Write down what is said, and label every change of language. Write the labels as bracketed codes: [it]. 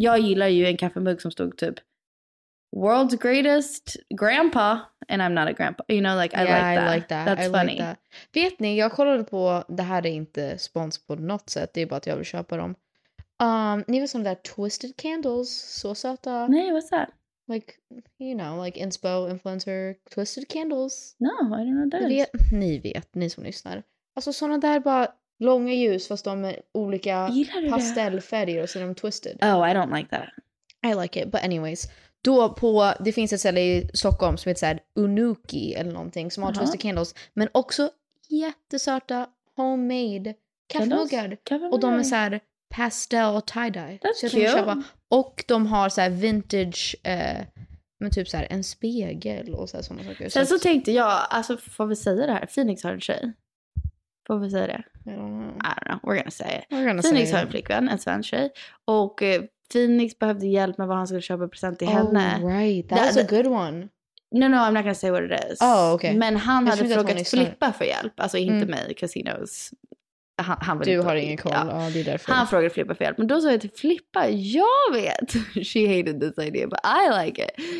[sv] Jag gillar ju en kaffemugg som stod typ [en] world's greatest grandpa and I'm not a grandpa. You know, like I like that. That's funny. Like that. [sv] Vet ni, jag kollade på, det här är inte spons på något sätt, det är bara att jag vill köpa dem. Ni vet som där Twisted Candles, så söta. [en] Nej, what's that? Like, you know, like inspo, influencer, Twisted Candles. No, I don't know that. [sv] Ni vet, ni som lyssnar. Alltså sådana där bara långa ljus fast de med olika pastellfärger och så är de twisted. [en] Oh, I don't like that. I like it, but anyways. [sv] Då på, det finns ett ställe i Stockholm som heter såhär Unuki eller någonting som har uh-huh. Twisted Candles. Men också jättesöta homemade kaffemuggar. Och de är såhär pastel och tie-dye. That's så jag cute. Köpa. Och de har såhär vintage, men typ såhär en spegel och såhär sådana saker. Sen så tänkte jag, alltså får vi säga det här? Phoenix har en tjej. Får vi säga det? [en] I don't know. We're gonna say it. [sv] Phoenix har en flickvän, en svensk tjej. Och... Phoenix behövde hjälp med vad han skulle köpa present till henne. [en] Oh, right. That's a good one. No, I'm not gonna say what it is. Oh, okay. [sv] Men han hade frågat Filippa för hjälp. Alltså inte mig, [en] because he knows... [sv] Han du har ingen koll. Ja, det är därför. Han frågade Filippa för hjälp. Men då sa jag till Filippa, jag vet. [en] She hated this idea, but I like it.